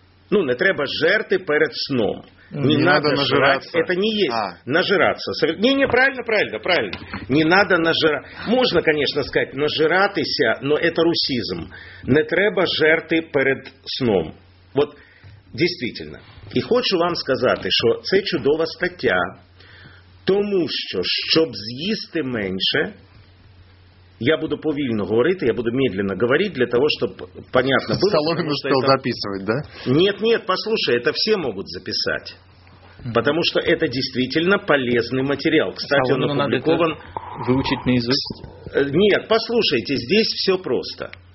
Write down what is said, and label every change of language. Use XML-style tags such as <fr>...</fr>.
<uk>Ну, не треба жерти перед сном.</uk> <ru>Не надо нажираться. Это не есть нажираться. Не, правильно. Не надо нажираться. Можно, конечно, сказать нажиратися, но это русизм.</ru> <uk>Не треба жерти перед сном.</uk> <ru>Вот действительно.</ru> <uk>І хочу вам сказати, що це чудова стаття, тому що, щоб з'їсти менше, я буду повільно говорити, я буду медленно говорити, для того, щоб понятно було. Соломин успів записувати, да?</uk> <ru>Нет, послушай, это все могут записати. Потому что это действительно полезный материал. Кстати, он опубликован... Надо выучить наизусть? Нет, послушайте, здесь все просто.</ru>